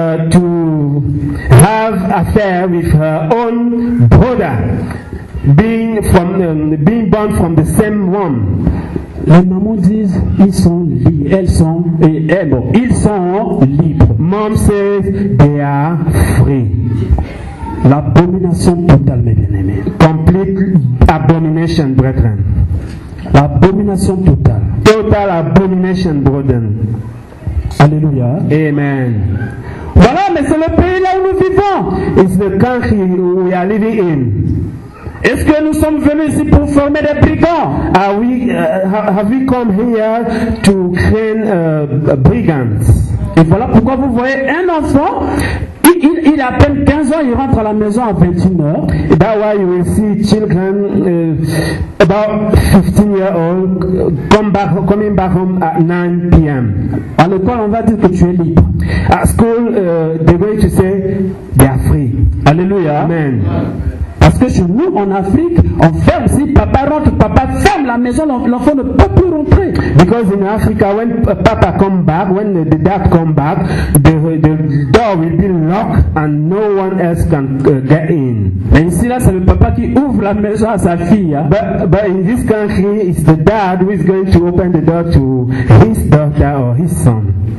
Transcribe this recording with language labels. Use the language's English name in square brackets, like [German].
[English] to have affair with her own brother, being from being born from the same womb. [French] Les mamans disent ils sont libres, elles sont et elles, bon, ils sont libres. [English] Mom says they are free. [French] L'abomination totale, mes bien-aimés. [English] Complete abomination, brethren. [French] L'abomination totale. [English] Total abomination, brethren. Alléluia. Amen. [French] Voilà, mais c'est le pays là où nous vivons. [English] It's the country we are living in. [French] Est-ce que nous sommes venus ici pour former des brigands? [English] Are we have we come here to train brigands? [French] Et voilà pourquoi vous voyez un enfant, il a à peine 15 ans, il rentre à la maison à 21h. [English] That's why you will see children about 15 years old coming back home at 9 p.m. [French] À l'école, on va dire que tu es libre. [English] At school, they're going to say they are free. Alléluia. Amen. [French] Parce que chez nous en Afrique, on ferme, si papa rentre, papa ferme la maison, l'enfant ne peut plus rentrer. [English] Because in Africa, when papa come back, when the dad come back, the door will be locked and no one else can get in. [French] Mais ici là, c'est le papa qui ouvre la maison à sa fille. Hein? [English] But in this country, it's the dad who is going to open the door to his daughter or his son.